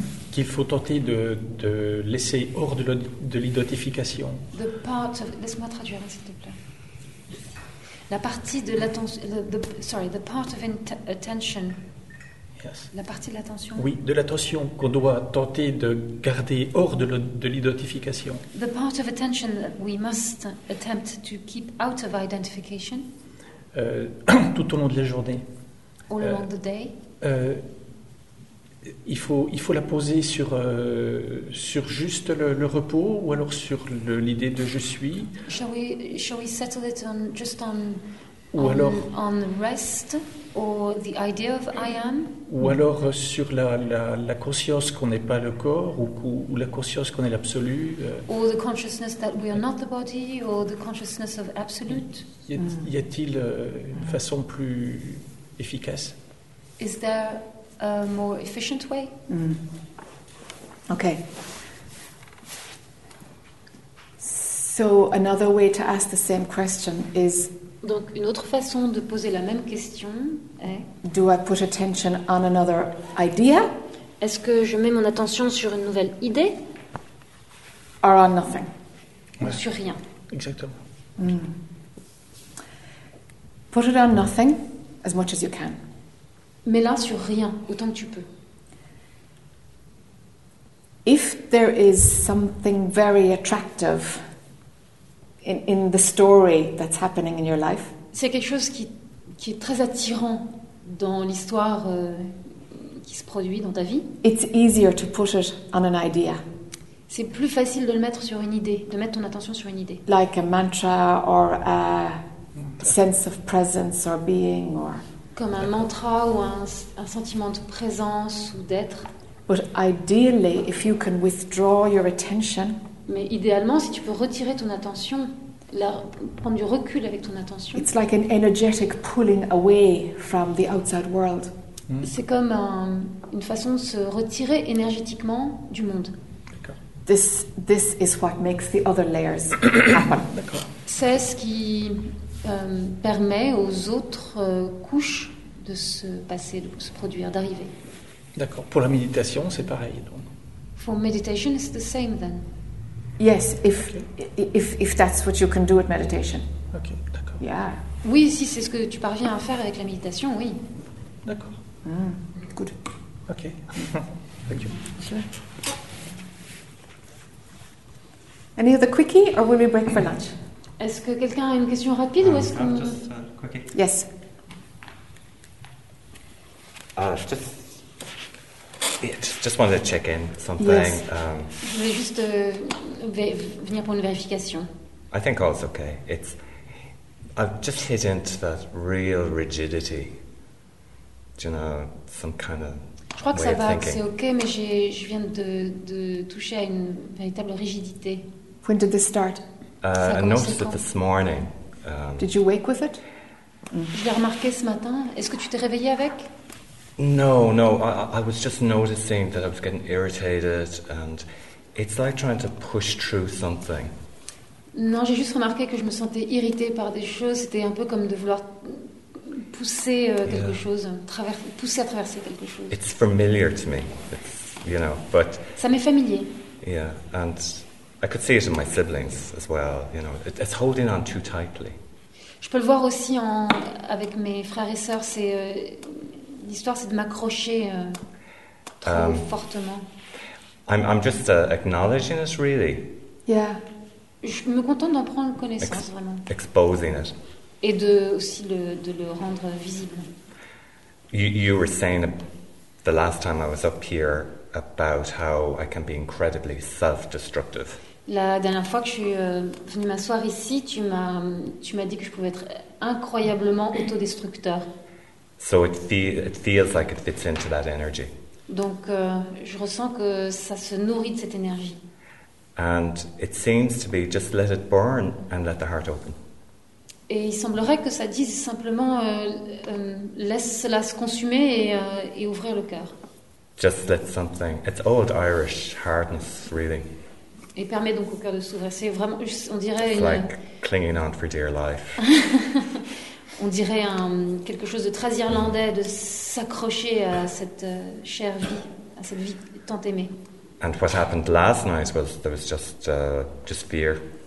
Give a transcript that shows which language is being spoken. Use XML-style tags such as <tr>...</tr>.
<fr>Qu'il faut tenter de laisser hors de l'identification.</fr> <en>The part of,</en> <fr>laisse-moi traduire, s'il te plaît. La partie de l'attention,</fr> <en>sorry, the part of attention. Yes.</en> <fr>La partie de l'attention. Oui, de l'attention qu'on doit tenter de garder hors de l'identification.</fr> <en>The part of attention that we must attempt to keep out of identification.</en> <fr>tout au long de la journée.</fr> <en>All along the day.</en> <fr>Il faut la poser sur juste le repos ou alors sur l'idée de je suis.</fr> <en>Shall we settle it on just on</en> <fr>ou alors</fr> <en>on rest or the idea of I am</en> <fr>ou alors sur la conscience qu'on n'est pas le corps ou la conscience qu'on est l'absolu</fr> <en>or the consciousness that we are not the body or the consciousness of absolute.</en> <fr>Y a-t-il une façon plus efficace?</fr> <en>Is there a more efficient way? Okay. So another way to ask the same question is.</en> <fr>Donc une autre façon de poser la même question est.</fr> <en>Do I put attention on another idea?</en> <fr>Est-ce que je mets mon attention sur une nouvelle idée?</fr> <en>Or on nothing?</en> <fr>Ouais. Ou sur rien. Exactement.</fr> <en>Put it on nothing as much as you can.</en> <fr>Mais là sur rien autant que tu peux.</fr> <en>If there is something very attractive in the story that's happening in your life.</en> <fr>C'est quelque chose qui est très attirant dans l'histoire qui se produit dans ta vie.</fr> <en>It's easier to put it on an idea.</en> <fr>C'est plus facile de le mettre sur une idée, de mettre ton attention sur une idée.</fr> <en>Like a mantra or a sense of presence or being or</en> <fr>comme un mantra ou un sentiment de présence ou d'être.</fr> <en>But ideally, if you can withdraw your attention.</en> <fr>Mais idéalement, si tu peux retirer ton attention, prendre du recul avec ton attention.</fr> <en>It's like an energetic pulling away from the outside world.</en> <fr>C'est comme une façon de se retirer énergétiquement du monde. D'accord.</fr> <en>This is what makes the other layers happen.</en> <fr>D'accord. C'est ce qui permet aux autres couches de se passer, de se produire, d'arriver. D'accord. Pour la méditation, c'est pareil, donc.</fr> <en>For meditation, it's the same then. Yes, if that's what you can do with meditation.</en> <fr>Ok, d'accord.</fr> <en>Yeah.</en> <fr>Oui, si c'est ce que tu parviens à faire avec la méditation, oui. D'accord.</fr> <en>Good. Ok. Thank you. Sure. Any other quickie, or will we break for lunch?</en> <fr>Est-ce que quelqu'un a une question rapide ou est-ce que</fr> <en>just yes. Just wanted to check in something.</en> <fr>Yes. Je voulais juste venir pour une vérification.</fr> <en>I think all's okay. I've just hit into that real rigidity. Do you know some kind of.</en> <fr>Je crois</fr> <en>way</en> <fr>que ça va,</fr> <en>thinking.</en> <fr>C'est ok, mais je viens de toucher à une véritable rigidité.</fr> <en>When did this start? I noticed it this morning. Did you wake with it?</en> <fr>Je l'ai remarqué ce matin. Est-ce que tu t'es réveillé avec?</fr> <en>No. I was just noticing that I was getting irritated, and it's like trying to push through something.</en> <fr>Non, j'ai juste remarqué que je me sentais irritée par des choses. C'était un peu comme de vouloir pousser quelque chose, pousser à traverser quelque chose.</fr> <en>It's familiar to me. It's, you know, but.</en> <fr>Ça m'est familier.</fr> <en>Yeah, and. I could see it in my siblings as well, you know. It's holding on too tightly.</en> <fr>Je peux le voir aussi avec mes frères et sœurs. L'histoire, c'est de m'accrocher trop fortement.</fr> <en>I'm just acknowledging it, really. Yeah.</en> <fr>Je me contente d'en prendre connaissance, vraiment.</fr> <en>Exposing it.</en> <fr>Et de aussi de le rendre visible.</fr> <en>You were saying the last time I was up here about how I can be incredibly self-destructive.</en> <fr>La dernière fois que je suis venue m'asseoir ici, tu m'as dit que je pouvais être incroyablement autodestructeur.</fr> <en>So it feels like it fits into that energy.</en> <fr>Donc je ressens que ça se nourrit de cette énergie.</fr> <en>And it seems to be just let it burn and let the heart open.</en> <fr>Et il semblerait que ça dise simplement laisse cela se consumer et ouvrir le cœur.</fr> <en>Just let something. It's old Irish hardness, really.</en> <fr>Et permet donc au cœur de s'ouvrir. C'est vraiment, on dirait.</fr> <en>It's like clinging on for dear life.</en> <fr>On dirait quelque chose de très irlandais, de s'accrocher à cette chère vie, à cette vie tant aimée.</fr> <en>And what happened last night was there was just fear.</en>